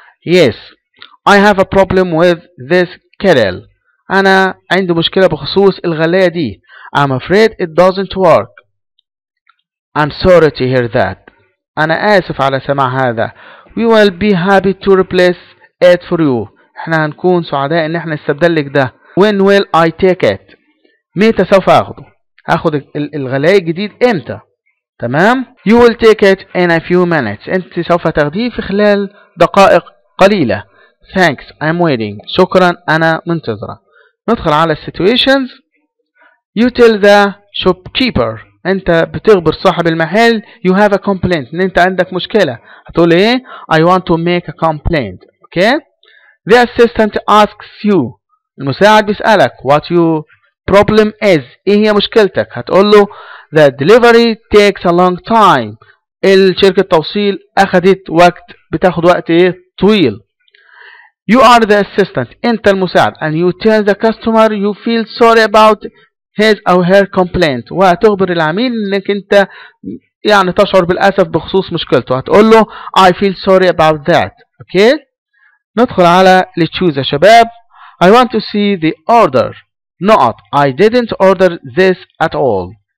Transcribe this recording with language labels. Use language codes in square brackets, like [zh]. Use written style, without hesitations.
[en] Yes, I have a problem with this kettle. [ar] أنا عندي مشكلة بخصوص الغلاية دي. [en] I'm afraid it doesn't work. I'm sorry to hear that. [ar] أنا آسف على سماع هذا. [en] We will be happy to replace it for you. [ar] إحنا هنكون سعداء إن إحنا نستبدل لك ده. [en] When will I take it? [ar] متى سوف أخذه؟ هاخد الغلاية الجديد إمتى؟ تمام؟ [en] You will take it in a few minutes. [ar] أنت سوف تاخديه في خلال دقائق قليلة. [en] Thanks, I'm waiting. [ar] شكرا أنا منتظرة. ندخل على situations. [en] You tell the shopkeeper. [ar] أنت بتخبر صاحب المحل. [en] You have a complaint. [ar] أنت عندك مشكلة. هتقول إيه؟ [en] I want to make a complaint. Okay? The assistant asks you. [ar] المساعد بيسألك. [en] What you problem is. [ar] إيه هي مشكلتك؟ هتقول له. [en] The delivery takes a long time. [ar] الشركة التوصيل أخذت وقت بتاخد وقت طويل. [en] You are the assistant. [ar] أنت المساعد. [en] And you tell the customer you feel sorry about his or her complaint. [ar] وتخبر العميل أنك أنت يعني تشعر بالأسف بخصوص مشكلته. هتقول له [en] I feel sorry about that. Okay. [ar] ندخل على لتشوز يا شباب. [en] I want to see the order. Not. I didn't order this at all.